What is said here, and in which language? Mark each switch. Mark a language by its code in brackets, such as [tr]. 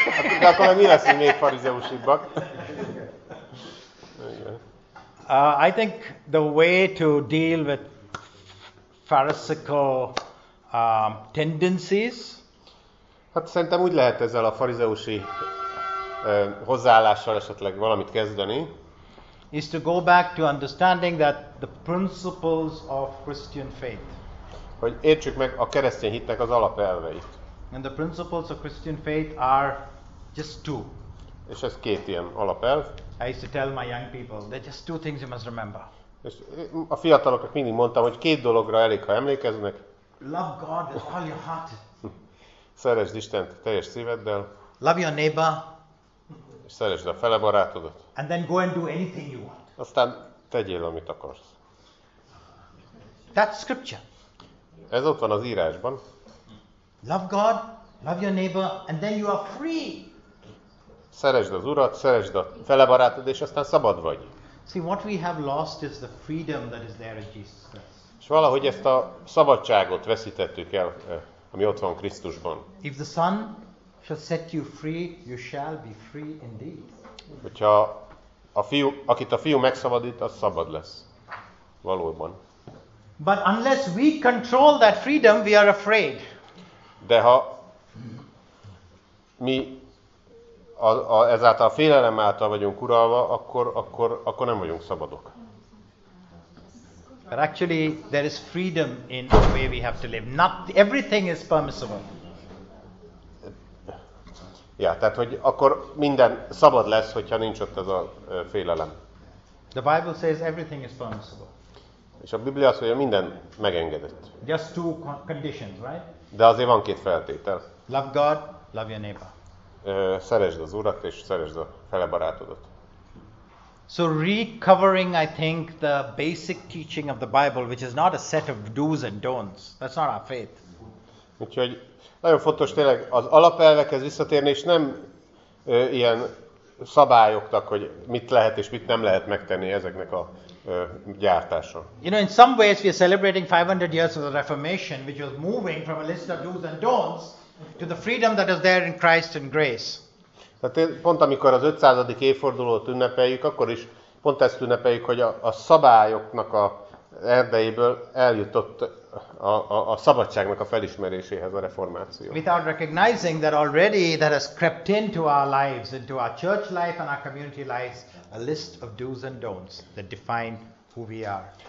[hu] És akkor mi leszünk még farizeusibbak? [en] I think the way to deal with pharisaical tendencies. [hu] Hát szerintem úgy lehet ezzel a farizeusi hozzáállással esetleg valamit kezdeni. [en] is to go back to understanding that the principles of Christian faith. [hu] Hogy értsük meg a keresztény hitnek az alapelveit. [en] And the principles of Christian faith are just two. [hu] És ez két ilyen alapelv. [en] I used to tell my young people, there are just two things you must remember. [hu] És a fiataloknak mindig mondtam, hogy két dologra elég, ha emlékeznek. [en] Love God with all your heart. [hu] Szeresd Istent teljes szíveddel. [en] Love your neighbor. [hu] És szeresd a fele barátodat. [en] And then go and do anything you want. [hu] Aztán tegyél, amit akarsz. [en] That's scripture. [hu] Ez ott van az írásban. [en] Love God, love your neighbor, and then you are free. [hu] Szeresd az Urat, szeresd a fele barátod, és aztán szabad vagy. [en] See, what we have lost is the freedom that is there in Jesus Christ. [hu] És valahogy ezt a szabadságot veszítettük el, ami ott van Krisztusban. [en] If the Son shall set you free, you shall be free indeed. [hu] Hogyha a fiú, akit a fiú megszabadít, az szabad lesz. Valóban. [en] But unless we control that freedom, we are afraid. [hu] De ha mi ezáltal a félelem által vagyunk uralva, akkor nem vagyunk szabadok. [en] But actually there is freedom in the way we have to live. Not everything is permissible. [hu] Ja, tehát hogy akkor minden szabad lesz, hogyha nincs ott ez a félelem. [en] The Bible says everything is permissible. [hu] És a Biblia azt mondja, minden megengedett. [en] Just two conditions, right? [hu] De azért van két feltétel. [en] Love God, love your neighbor. [hu] Szeresd az Urat és szeresd a fele barátodat. [en] So recovering, I think, the basic teaching of the Bible, which is not a set of do's and don'ts. That's not our faith. [hu] Úgyhogy nagyon fontos tényleg az alapelvekhez visszatérni, és nem ilyen szabályoknak, hogy mit lehet és mit nem lehet megtenni ezeknek a gyártása. [en] You know, in some ways we are celebrating 500 years of the Reformation, which was moving from a list of do's and don'ts to the freedom that is there in Christ and grace. [hu] Tehát pont amikor az 500. évfordulót ünnepeljük, akkor is pont ezt ünnepeljük, hogy a szabályoknak a erdejéből eljutott a szabadságnak a felismeréséhez a reformáció. [en] Without recognizing that already that has crept into our lives, into our church life and our community lives, a list of do's and don'ts that define who we are.